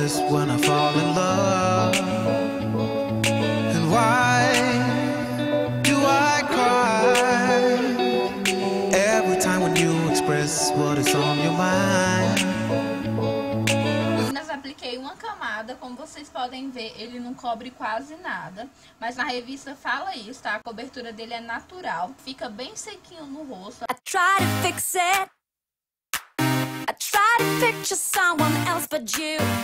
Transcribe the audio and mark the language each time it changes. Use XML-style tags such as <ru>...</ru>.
<en>When I fall in love, and why do I cry every time when you express what is on your mind?</en> <pt>Apliquei uma camada, como vocês podem ver, ele não cobre quase nada. Mas na revista fala isso, tá? A cobertura dele é natural, fica bem sequinho no rosto.</pt> <en>I try to fix it. I try to picture someone else but you.</en>